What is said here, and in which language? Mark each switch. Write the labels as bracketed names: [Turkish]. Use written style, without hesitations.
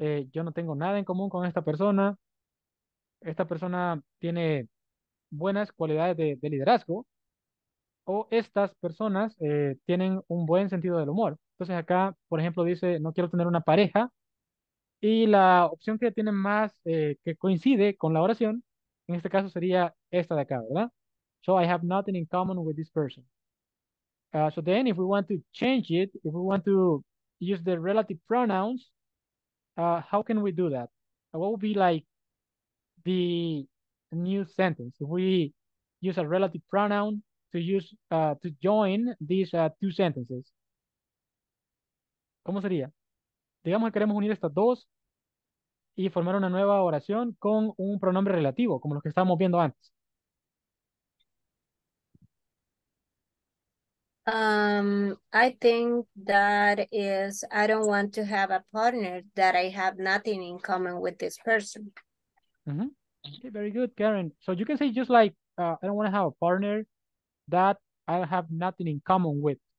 [Spanish] Yo no tengo nada en común con esta persona. Esta persona tiene buenas cualidades de liderazgo, o estas personas tienen un buen sentido del humor. Entonces acá, por ejemplo, dice no quiero tener una pareja, y la opción que tiene más que coincide con la oración en este caso sería esta de acá, ¿verdad? [English] So I have nothing in common with this person. So then if we want to change it, if we want to use the relative pronouns, how can we do that? What would be like the new sentence if we use a relative pronoun to use to join these two sentences? [Spanish] ¿Cómo sería? Digamos que queremos unir estas dos y formar una nueva oración con un pronombre relativo, como los que estábamos viendo antes. [English] I think that is, I don't want to have a partner, that I have nothing in common with this person. Okay, very good, Karen. So you can say just like, I don't want to have a partner that I have nothing in common with.